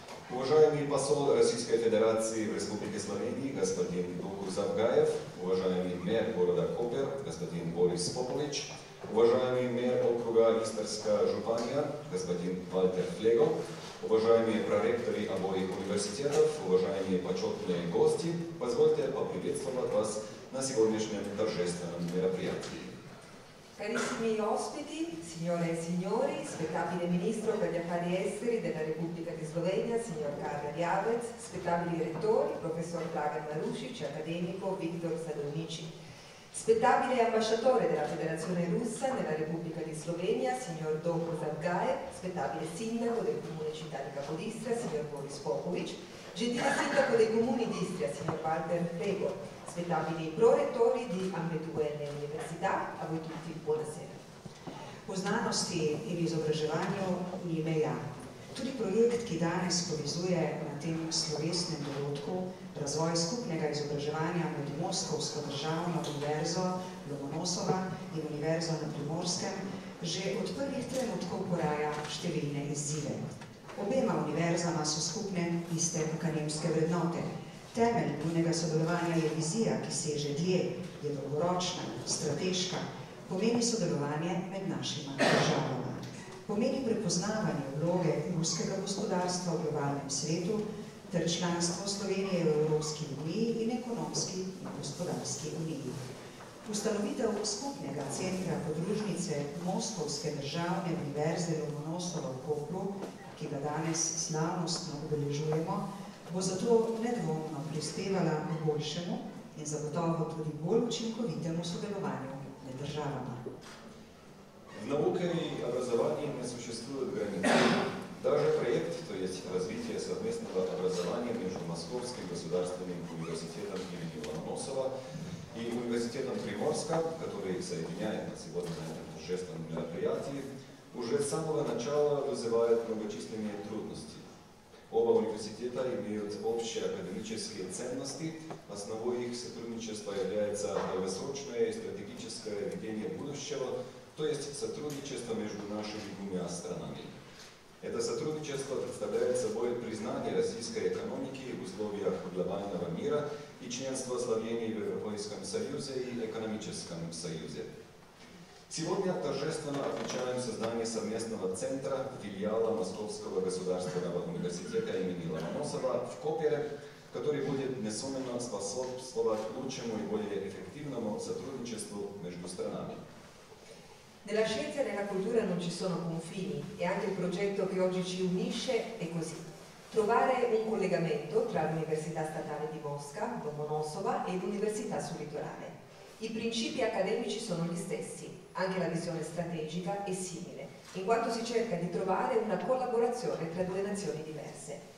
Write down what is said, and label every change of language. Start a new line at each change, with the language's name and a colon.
Russian: уважаемый посол Российской Федерации в Республике Словении, господин Доку Завгаев, уважаемый мэр города Копер, господин Борис Попович, уважаемый мэр округа Истерска Жупания, господин Вальтер Флего, уважаемые проректоры обоих университетов, уважаемые почетные гости, позвольте поприветствовать вас на сегодняшнем торжественном мероприятии.
Italian: Carissimi ospiti, signore e signori, spettabile ministro per gli affari esteri della Repubblica di Slovenia, signor Karl Rjavec, spettabili rettori, professor Dragan Marušič, accademico Viktor Sadovniči, spettabile ambasciatore della Federazione Russa nella Repubblica di Slovenia, signor Doku Zavgaev, spettabile sindaco del comune città di Capodistria, signor Boris Popovic, gentile sindaco dei comuni di Istria, signor Walter Flego, spettabili prorettori di ambedue le università, a voi tutti buonasera.
Slovenian: O znanosti e l'izobraževanju ni meja. Tudi projekt, ki danes povezuje na tem slovesnem dogodku razvoj skupnega izobraževanja med Moskovsko državno univerzo Lomonosova in univerzo na Primorskem, že od prvih trenutkov poraja številne izzive. Obema univerzama so skupne iste akademske vrednote. Temelj njunega sodelovanja je vizija, ki se že dlje, je dolgoročna, strateška, pomeni sodelovanje med našima državama. Pomeni prepoznavanje vloge ruskega gospodarstva v globalnem svetu ter članstvo Slovenije v Evropski uniji in ekonomski in gospodarski uniji. Ustanovitev skupnega centra podružnice Moskovske državne univerze Lomonosova v Kopru, ki ga danes slavnostno obeležujemo, bo zato nedvomno prispevala k boljšemu in zagotovo tudi bolj učinkovitemu sodelovanju med državama.
Russian: В науке и образовании не существует границ. Даже проект, то есть развитие совместного образования между Московским государственным университетом имени Ломоносова и университетом Приморска, который соединяет на сегодня на этом торжественном мероприятии, уже с самого начала вызывает многочисленные трудности. Оба университета имеют общие академические ценности. Основой их сотрудничества является долгосрочное и стратегическое видение будущего, то есть сотрудничество между нашими двумя странами. Это сотрудничество представляет собой признание российской экономики в условиях глобального мира и членства Словении в Европейском Союзе и Экономическом Союзе. Сегодня торжественно отмечаем создание совместного центра филиала Московского государственного университета имени Ломоносова в Копере, который будет несомненно способствовать лучшему и более эффективному сотрудничеству между странами.
Italian: Nella scienza e nella cultura non ci sono confini e anche il progetto che oggi ci unisce è così. Trovare un collegamento tra l'Università Statale di Mosca, Lomonosova, e l'Università sul Litorale. I principi accademici sono gli stessi, anche la visione strategica è simile, in quanto si cerca di trovare una collaborazione tra due nazioni diverse.